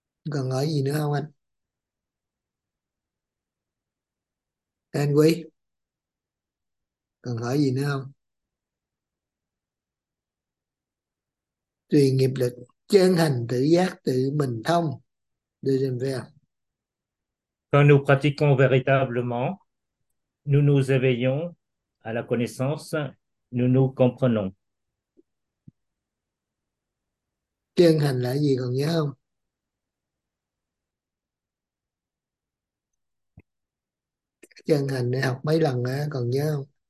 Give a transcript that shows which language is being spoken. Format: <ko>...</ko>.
<vi>Còn nói gì nữa không anh? Anh Quý còn hỏi gì nữa không? Tùy nghiệp lực, chân hành tự giác, tự mình thông.</vi> <fr>Deuxième vers. Quand nous pratiquons véritablement, nous nous éveillons à la connaissance, nous nous comprenons.</fr> <vi>Chân hành là gì còn nhớ không? Chân hành này học mấy lần nữa, còn nhớ không?</vi>